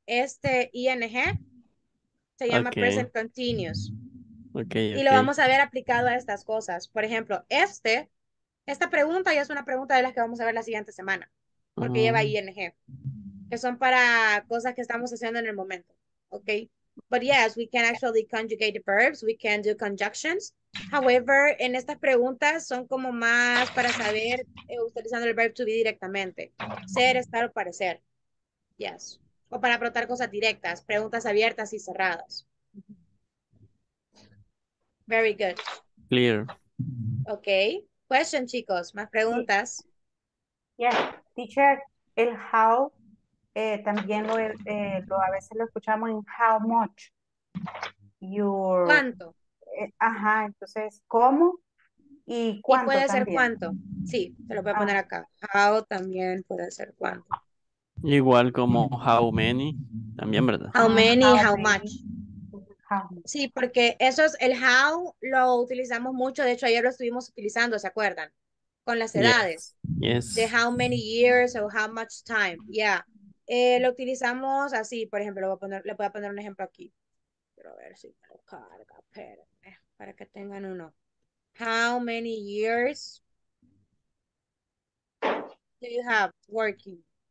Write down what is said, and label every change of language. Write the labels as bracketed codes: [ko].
[es] Este ING se llama okay. Present Continuous. [en] Okay, [es] y lo vamos a ver aplicado a estas cosas. Por ejemplo, esta pregunta ya es una pregunta de las que vamos a ver la siguiente semana. Porque lleva ING. Que son para cosas que estamos haciendo en el momento, okay? [en] But yes, we can actually conjugate the verbs, we can do conjunctions. [es] However, en estas preguntas son como más para saber utilizando el verb to be directamente. Ser, estar o parecer. [en] Yes. [es] O para preguntar cosas directas, preguntas abiertas y cerradas. [en] Very good. Clear. Okay. Question, [es] chicos. Más preguntas. [en] Yes. Teacher, [es] el how... también a veces lo escuchamos en [en] how much your [es] cuánto ajá, entonces cómo y cuánto, y puede también ser cuánto, sí, te lo voy a poner acá, how también puede ser cuánto, igual como how many también, ¿verdad? [en] How many, how much, [es] sí, porque eso es el how lo utilizamos mucho, de hecho ayer lo estuvimos utilizando, ¿se acuerdan? Con las edades, [en] yes. [es] De [en] how many years o how much time, yeah. [es] Lo utilizamos así, por ejemplo, le voy a poner un ejemplo aquí. Quiero ver si me lo carga, espérenme, para que tengan uno. [en] How many years do you have working?